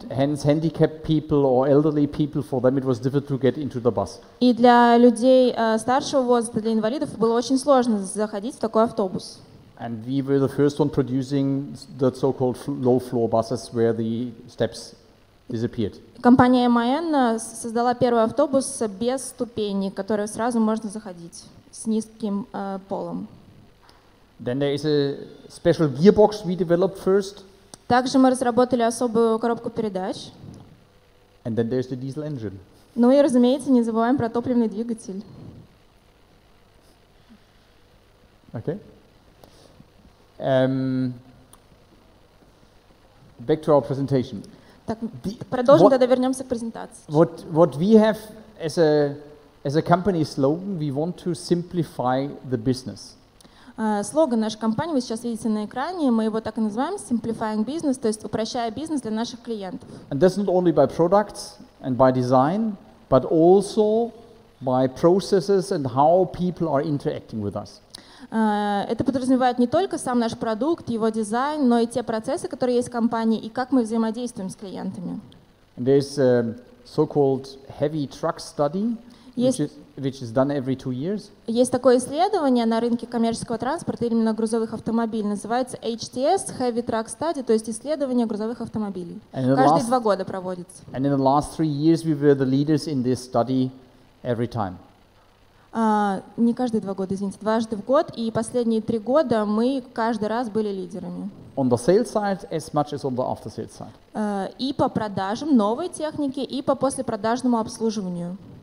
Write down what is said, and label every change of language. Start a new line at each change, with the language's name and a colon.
English: And hence handicapped people or elderly people, for them it was difficult to get into the bus.
Russian: И для людей старшего возраста, для инвалидов было очень сложно заходить в такой автобус.
English: And we were the first one producing the so-called low-floor buses where the steps disappeared.
Russian: Компания MAN создала первый автобус без ступеней, в который сразу можно заходить с низким полом.
English: Then there is a special gearbox we developed first.
Russian: Также мы разработали особую коробку передач.
English: And then there's the diesel engine.
Russian: Ну и, разумеется, не забываем про топливный двигатель.
English: Okay. Back to our presentation.
Russian: Так, продолжим, тогда вернемся к презентации.
English: What we have as a company slogan, we want to simplify the business.
Russian: Слоган нашей компании вы сейчас видите на экране, мы его так и называем
English: simplifying business,
Russian: то есть упрощая бизнес для наших клиентов.
English: And that's not only by products and by design, but also by processes and how people are interacting with us.
Russian: Это подразумевает не только сам наш продукт, его дизайн, но и те процессы, которые есть в компании, и как мы взаимодействуем с клиентами.
English: And there's a so-called heavy truck study. Which is done every 2 years.
Russian: Есть такое исследование на рынке коммерческого транспорта, именно грузовых автомобилей, называется HTS, Heavy Truck Study, то есть исследование грузовых автомобилей. Каждые 2 года проводится.
English: And in the last 3 years we were the leaders in this study every time.
Russian: Не каждые 2 года, извините, дважды в год, и последние 3 года мы каждый раз были лидерами.
English: On the sales side as much as on the after-sales side.
Russian: И по продажам новой техники, и по послепродажному обслуживанию.